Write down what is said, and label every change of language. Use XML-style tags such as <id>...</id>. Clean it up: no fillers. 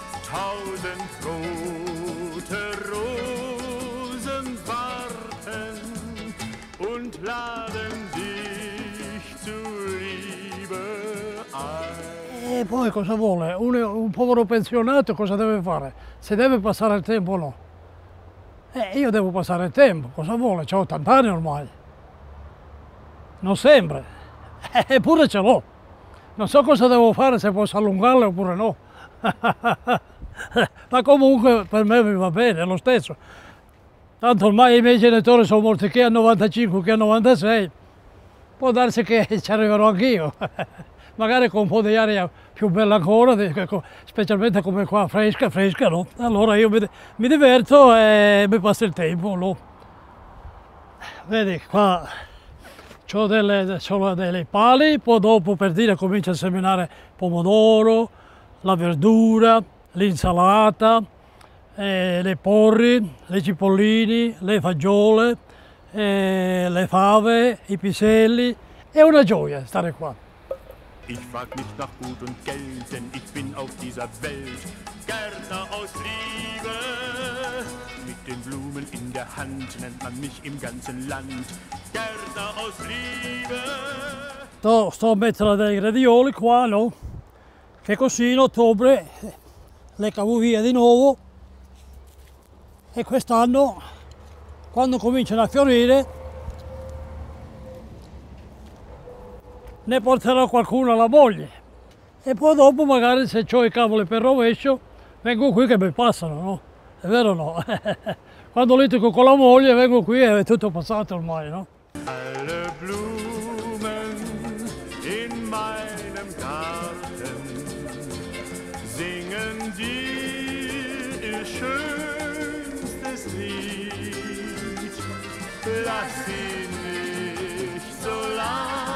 <de>Tausend rote Rosen warten und laden dich zur Liebe ein.</de> <it>E poi cosa vuole? Un povero pensionato cosa deve fare? Se deve passare il tempo o no? Io devo passare il tempo, cosa vuole? C'ho 80 anni ormai. Non sembra. Eppure ce l'ho. Non so cosa devo fare, se posso allungarle oppure no. Ma comunque per me mi va bene, è lo stesso. Tanto ormai i miei genitori sono morti che a 95, che a 96. Può darsi che ci arriverò anch'io. magari con un po' di aria più bella ancora, specialmente come qua, fresca, fresca, no? Allora io mi diverto e mi passa il tempo, no? Vedi, qua ho delle pali, poi dopo per dire comincio a seminare pomodoro, la verdura, l'insalata, le porri, le cipollini, le fagiole, le fave, i piselli. È una gioia stare qua.</it> <de>Ich frag nicht nach Gut und Geld, denn ich bin auf dieser Welt Gärtner aus Liebe. Mit den Blumen in der Hand nennt man mich im ganzen Land Gärtner aus Liebe.</de> <it>Sto a mettere dei gradioli qua, no? Che così in ottobre le cavo via di nuovo. E quest'anno, quando cominciano a fiorire, ne porterò qualcuno alla moglie. E poi dopo, magari, se ho i cavoli per rovescio, vengo qui che mi passano, no? È vero o no? Quando litigo con la moglie, vengo qui e è tutto passato ormai, no?</it> <de>Alle Blumen in meinem Garten singen dir ihr schönstes Lied. Lass sie nicht so lang.</de>